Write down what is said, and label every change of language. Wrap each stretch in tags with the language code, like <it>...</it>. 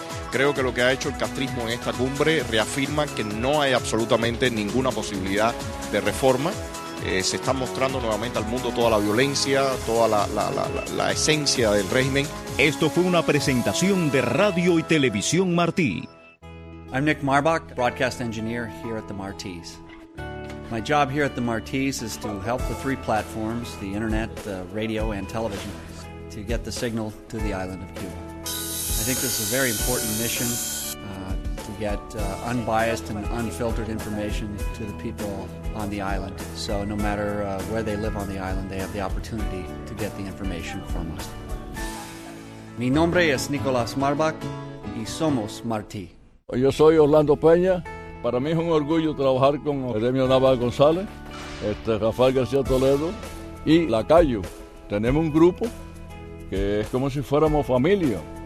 <es>Creo que lo que ha hecho el castrismo en esta cumbre reafirma que no hay absolutamente ninguna posibilidad de reforma. Se está mostrando nuevamente al mundo toda la violencia, toda la esencia del régimen. Esto fue una presentación de Radio y Televisión Martí.</es> <en>I'm Nick Marbach, broadcast engineer here at the Martí's. My job here at the Martí's is to help the 3 platforms, the internet, the radio and television, to get the signal to the island of Cuba. I think this is a very important mission to get unbiased and unfiltered information to the people on the island. So no matter where they live on the island, they have the opportunity to get the information from us.</en> <es>Mi nombre es Nicolás Marbach y somos Martí. Yo soy Orlando Peña. Para mí es un orgullo trabajar con Jeremio Navas González, Rafael García Toledo y Lacayo. Tenemos un grupo que es como si fuéramos familia.</es>